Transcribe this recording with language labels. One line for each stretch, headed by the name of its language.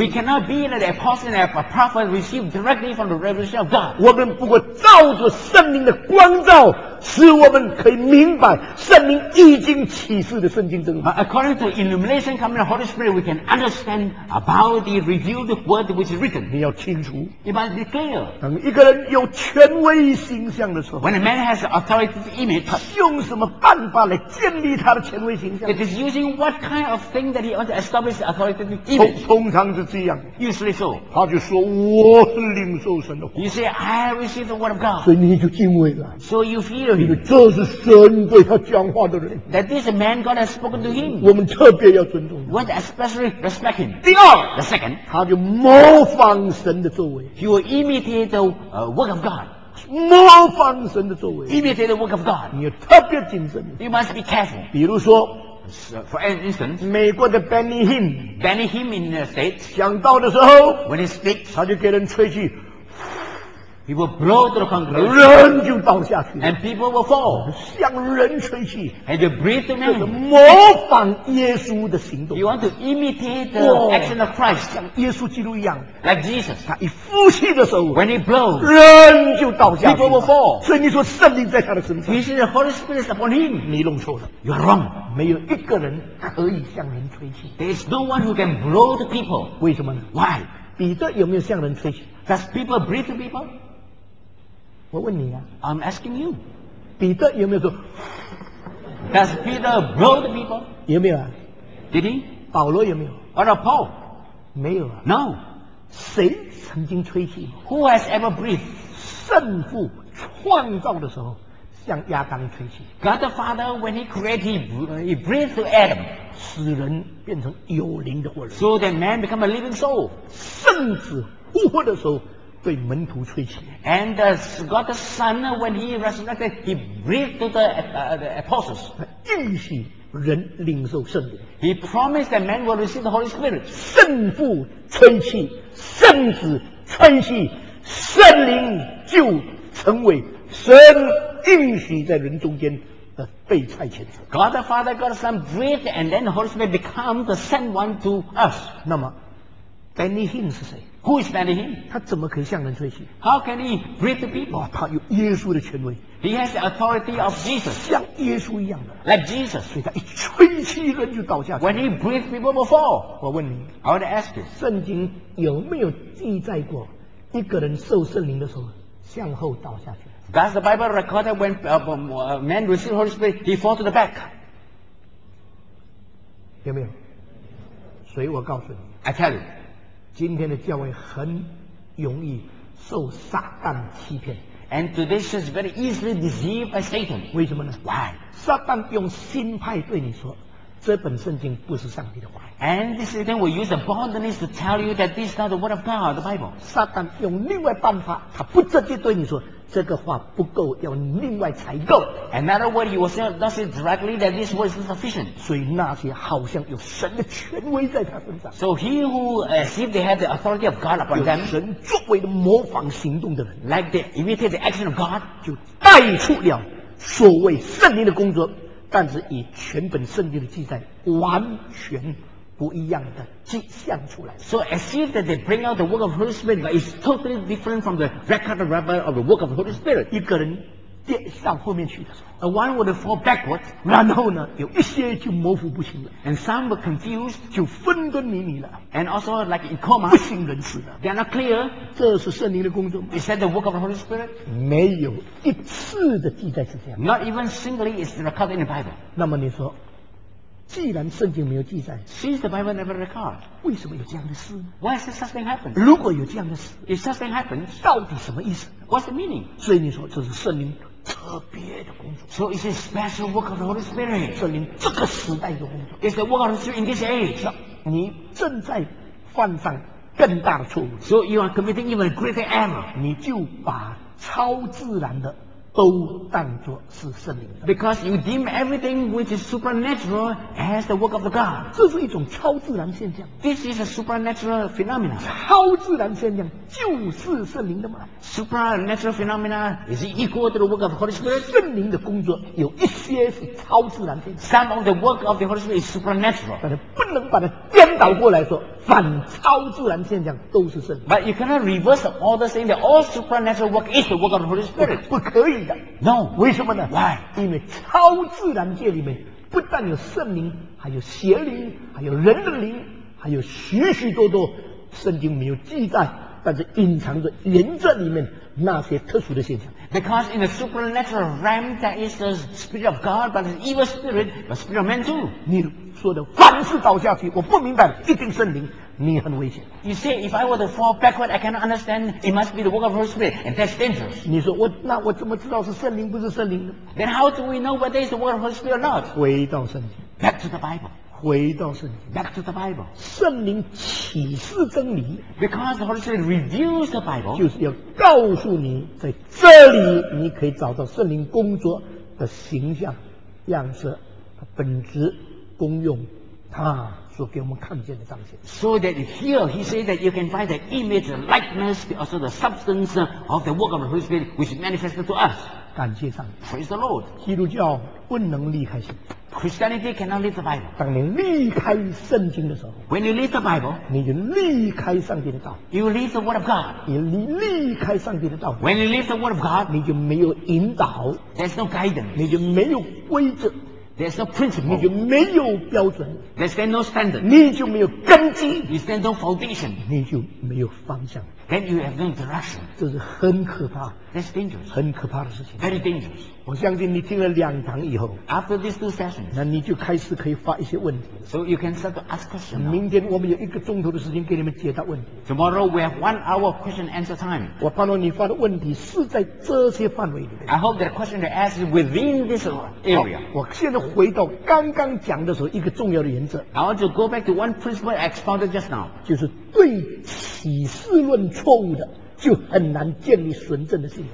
English: We cannot be like the apostle and a prophet received directly from the revelation of God.
Chinese: 我们不过照着圣灵的光照。使我们可以明白圣灵已经启示的圣经真理。
English: According to illumination coming from the Holy Spirit, we can understand about the revealed word which is written.
Chinese: 你要清楚。
English: It must be clear.
Chinese: 当一个人有权威形象的时候
English: ，When a man has authority to image,
Chinese: 他用什么办法来建立他的权威形象
English: ？It is using what kind of thing that he wants to establish authority to image.
Chinese: 通常是这样。
English: Usually so.
Chinese: 他就说我是领受神的话。
English: You say I receive the word of God.
Chinese: 所以你就敬畏了。
English: So you feel.
Chinese: 这是神对他讲话的人。
English: That this man God has spoken to him.
Chinese: 我们特别要尊重。
English: We especially respect him.
Chinese: 第二
English: ，the second，
Chinese: 他就模仿神的作为。
English: He will imitate the work of God.
Chinese: 模仿神的作为。
English: Imitate the work of God.
Chinese: 你要特别谨慎。
English: You must be careful.
Chinese: 比如说。
English: For an instance,
Chinese: 美国的 Benny Hinn，
English: Benny Hinn in the States，
Chinese: 讲道的时候
English: ，when he speaks，
Chinese: 他就给人吹气。
English: He will blow to the congregation.
Chinese: 人就倒下去。
English: And people will fall.
Chinese: 向人吹气。
English: And you breathe to man.
Chinese: 模仿耶稣的行动。
English: You want to imitate the action of Christ.
Chinese: 像耶稣基督一样。
English: Like Jesus.
Chinese: 他一呼气的时候。
English: When he blows.
Chinese: 人就倒下去。
English: People will fall.
Chinese: 所以你说圣灵在他的身上。
English: He says the Holy Spirit is upon him.
Chinese: 你弄错了。
English: You are wrong.
Chinese: 没有一个人可以向人吹气。
English: There is no one who can blow to people.
Chinese: 为什么呢？
English: Why?
Chinese: 彼得有没有向人吹气？
English: Does people breathe to people?
Chinese: 我问你啊
English: I'm asking you，
Chinese: 彼得有没有说
English: ？Does Peter blow the people？
Chinese: 有没有啊
English: ？Did he？
Chinese: 保罗有没有
English: ？What about Paul？
Chinese: 没有啊
English: ？No，
Chinese: 谁曾经吹气
English: ？Who has ever breathed？
Chinese: 圣父创造的时候向亚当吹气
English: ，God the Father when he created he breathed to Adam，
Chinese: 使人变成有灵的活人
English: ，So that man become a living soul。
Chinese: 圣子复活的时候。对门徒吹气
English: ，and God the Son when he resurrected, he breathed to the apostles.
Chinese: 应许人领受圣灵。
English: He promised that man will receive the Holy Spirit.
Chinese: 圣父吹气，圣子吹气，圣灵就成为神应许在人中间的被差遣者。
English: God the Father, God the Son breathed, and then the Holy Spirit become the sent one to us.
Chinese: 那么 ，Benny Hinn 是谁？
English: Who is standing him?
Chinese: 他怎么可以向人吹气
English: ？How can he breathe the people?、
Chinese: 哦、他有耶稣的权威。
English: He has the authority of Jesus.
Chinese: 像耶稣一样的。
English: Like Jesus.
Chinese: 所以他一吹气，人就倒下去。
English: When he breathed, people will fall.
Chinese: 我问你
English: ，I want to ask you.
Chinese: 圣经有没有记载过一个人受圣灵的时候向后倒下去
English: ？Does the Bible record that when a man received Holy Spirit, he fall to the back?
Chinese: 有没有？所以我告诉你
English: ，I tell you.
Chinese: 今天的教会很容易受撒旦欺骗
English: ，and today is very easily deceived by Satan。
Chinese: 为什么呢
English: ？Why？
Chinese: 撒旦用心派对你说，这本圣经不是上帝的话。
English: And this Satan will use the boldness to tell you that this is not the word of God, the Bible。
Chinese: 撒旦用另外办法，他不直接对你说。这个话不够，要另外采购。
English: Another word he will say does it directly that this word is sufficient.
Chinese: 所以那些好像有神的权威在他身上。
English: So he who see they have the authority of God upon them.
Chinese: 有神作为的模仿行动的人
English: ，like they imitate the action of God，
Chinese: 就带出了所谓圣灵的工作，但是以全本圣经的记载完全。不一样的迹象出来。
English: So as if that they bring out the work of the Holy Spirit, but it's totally different from the record of rather of the work of the Holy Spirit.
Chinese: 一个人跌向后面去的时候
English: ，and one would fall backwards.
Chinese: 然后呢，有一些就模糊不清了
English: ，and some were confused,
Chinese: 就分分迷迷了
English: ，and also like in coma,
Chinese: 不省人事的。
English: They are not clear.
Chinese: 这是圣灵的工作吗
English: ？Is that the work of the Holy Spirit?
Chinese: 没有一次的记载是这样。
English: Not even singly is recorded in the Bible.
Chinese: 那么你说。既然圣经没有记载
English: ，Since the Bible never record，
Chinese: 为什么有这样的事
English: ？Why is such thing happen？
Chinese: 如果有这样的事
English: ，If such thing happens，
Chinese: 到底什么意思
English: ？What's the meaning？
Chinese: 所以你说这是圣灵特别的工作。
English: So it's a special work of the Holy Spirit。
Chinese: 圣灵这个时代的工作。
English: It's the work of the Spirit in this age。
Chinese: 你正在犯上更大的错误。
English: So you are committing even a greater error。
Chinese: 你就把超自然的都当作是圣灵的
English: ，because you deem everything which is supernatural as the work of the God。
Chinese: 这是一种超自然现象。
English: This is a supernatural phenomenon。
Chinese: 超自然现象就是圣灵的吗
English: ？Supernatural phenomena is equal to the work of the Holy Spirit。
Chinese: 圣灵的工作有一些是超自然现
English: 象。Some of the work of the Holy Spirit is supernatural。
Chinese: 但是不能把它颠倒过来说，反超自然现象都是圣灵。
English: But you cannot reverse all the saying that all supernatural work is the work of the Holy Spirit。
Chinese: 不可以。
English: No，
Chinese: 为什么呢
English: ？Why？
Chinese: 因为超自然界里面不但有圣灵，还有邪灵，还有人的灵，还有许许多多圣经没有记载，但是隐藏着人这里面那些特殊的现象。
English: Because in the supernatural realm, that is the spirit of God, but the evil spirit, the spirit of man too。
Chinese: 你说的凡事倒下去，我不明白，一定圣灵。你很危险。
English: You say if I were to fall backward, I cannot understand. It must be the work of the Holy Spirit, and that's dangerous.
Chinese: 你说我那我怎么知道是圣灵不是圣灵呢
English: ？Then how do we know whether it's the work of the Holy Spirit or not?
Chinese: 回到圣经。
English: Back to the Bible.
Chinese: 回到圣经。
English: Back to the Bible.
Chinese: 圣灵启示真理。
English: Because the Holy Spirit reveals the Bible.
Chinese: 就是要告诉你，在这里你可以找到圣灵工作的形象、样式、本质、功用，它。所给我们看见的彰显。
English: So that here he says that you can find the image, the likeness, also the substance of the work of the Holy Spirit which is manifested to us.
Chinese: 感谢上帝。
English: Praise the Lord.
Chinese: 基督教不能离开圣经。
English: Christianity cannot leave the Bible.
Chinese: 当你离开圣经的时候
English: ，When you leave the Bible，
Chinese: 你就离开上帝的道。
English: You leave the Word of God.
Chinese: 你离开上帝的道。
English: When you leave the Word of God，
Chinese: 你就没有引导。
English: There's no guidance.
Chinese: 你就没有规则。
English: There's no principle.
Chinese: 你就没有标准。
English: There's no standard.
Chinese: 你就没有根基。
English: There's no foundation.
Chinese: 你就没有方向。
English: Then you have no direction.
Chinese: 这是很可怕。
English: That's dangerous.
Chinese: 很可怕的事情。
English: Very dangerous.
Chinese: 我相信你听了两堂以后。
English: After these two sessions.
Chinese: 那你就开始可以发一些问题。
English: So you can start to ask questions.
Chinese: 明天我们有一个钟头的时间给你们解答问题。
English: Tomorrow we have 1 hour question answer time.
Chinese: 我盼望你发的问题是在这些范围里面。
English: I hope that the question you ask is within this area.
Chinese: 我现在回到刚刚讲的时候一个重要的原则。
English: I want to go back to one principle I expounded just now.
Chinese: 就是对启示论错误的就很难建立纯正的信仰。